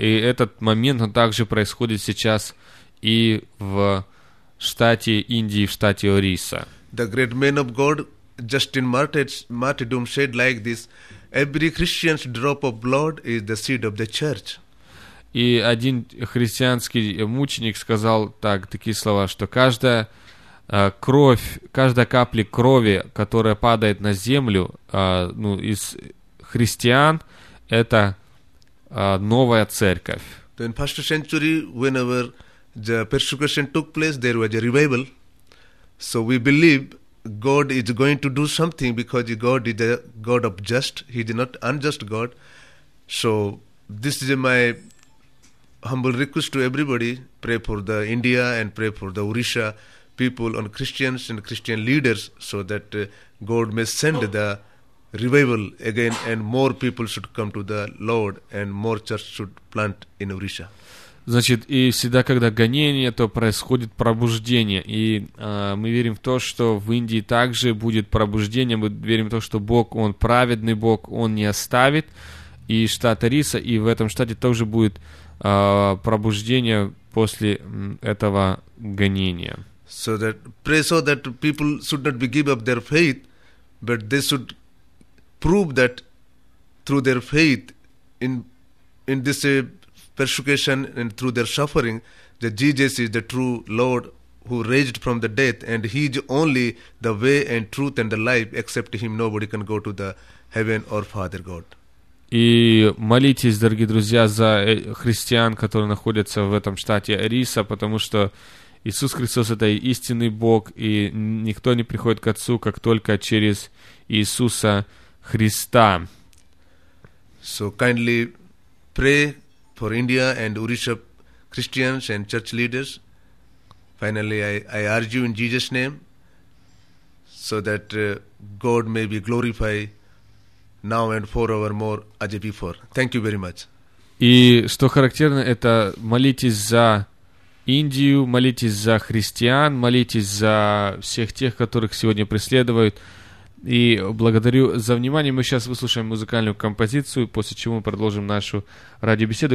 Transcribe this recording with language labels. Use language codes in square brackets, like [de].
[ru] И этот момент, он также происходит сейчас и в штате Индии, в штате Орисса. [en] The great man of God, Justin Martyrdom, said like this, every Christian's drop of blood is the seed of the church. [ru] И один христианский мученик сказал так, такие слова, что каждая кровь, каждая капля крови, которая падает на землю из христиан, это новая церковь. [en] In first century, whenever the persecution took place, there was a revival. So we believe God is going to do something because God is a God of just. He is not unjust God. So this is my humble request to everybody. Pray for the India and pray for the Orisha people and Christians and Christian leaders so that God may send the revival again and more people should come to the Lord and more church should plant in Orisha. [ru] Значит, и всегда, когда гонение, то происходит пробуждение. И мы верим в то, что в Индии также будет пробуждение. Мы верим в то, что Бог, Он праведный Бог, Он не оставит. И штат Ориса, и в этом штате тоже будет пробуждение после этого гонения. [en] So that, pray so that people should not be give up their faith, but they should prove that through their faith in this persecution and through their suffering, that Jesus is the true Lord who raised from the death, and He is only the way and truth and the life. Except Him, nobody can go to the heaven or Father God. [ru] И молитесь, дорогие друзья, за христиан, которые находятся в этом штате Ориса, потому что Иисус Христос — это истинный Бог, и никто не приходит к Отцу, как только через Иисуса Христа. [en] So kindly pray for India and Orisha Christians and church leaders. Finally, I urge you in Jesus' name so that God may be glorified now and forevermore as before. Thank you very much. [ru] И что характерно, это молитесь за Индию, молитесь за христиан, молитесь за всех тех, которых сегодня преследуют. И благодарю за внимание. Мы сейчас выслушаем музыкальную композицию, после чего мы продолжим нашу радиобеседу.